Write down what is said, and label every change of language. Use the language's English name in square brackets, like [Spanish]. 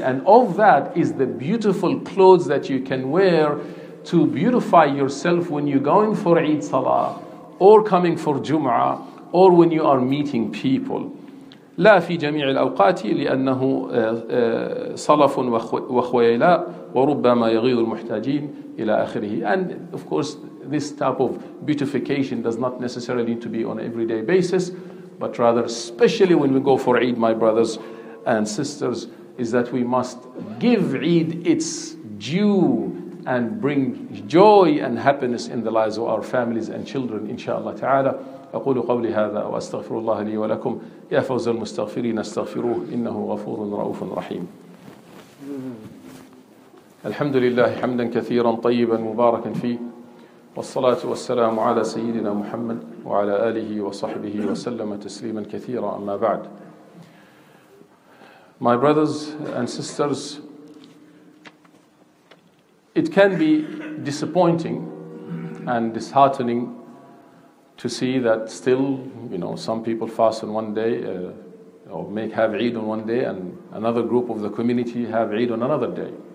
[English] And of that is the beautiful clothes that you can wear to beautify yourself when you're going for Eid Salah, or coming for Jum'ah, or when you are meeting people. [Arabic] لا في جميع الأوقات لأنه صلف وخويلاء وربما يغيظ المحتاجين إلى آخره. [English] And of course, this type of beautification does not necessarily need to be on an everyday basis, but rather especially when we go for Eid, my brothers and sisters, is that we must give Eid its due and bring joy and happiness in the lives of our families and children, inshallah ta'ala. [Arabic] أقول قولي هذا وأستغفر الله لي ولكم. يا فوز المستغفرين استغفروه إنه غفور رؤوف رحيم. الحمد لله حمدا كثيرا طيبا مباركا فيه، والصلاة والسلام على سيدنا محمد وعلى آله وصحبه وسلم تسليما كثيرا، أما بعد. [English] My brothers and sisters, it can be disappointing and disheartening to see that still, you know, some people fast on one day or have Eid on one day, and another group of the community have Eid on another day.